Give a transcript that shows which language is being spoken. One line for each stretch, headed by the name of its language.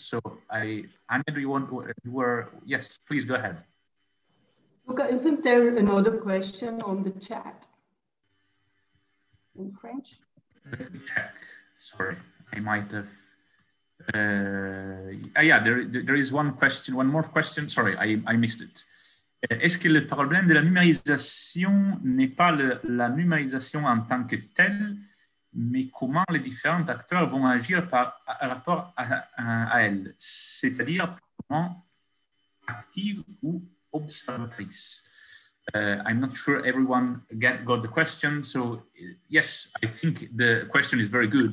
English: So Anna, do you want, yes, please go ahead. Luca, isn't there another question on the chat in French? Let me check, sorry. I might have, there is one question, one more question. Sorry, I missed it.
French: Est-ce que le problème de la numérisation n'est pas la numérisation en tant que telle, mais comment les différents acteurs vont agir par rapport à elle, c'est-à-dire comment active ou observatrice?
English: I'm not sure everyone got the question. So yes, I think the question is very good.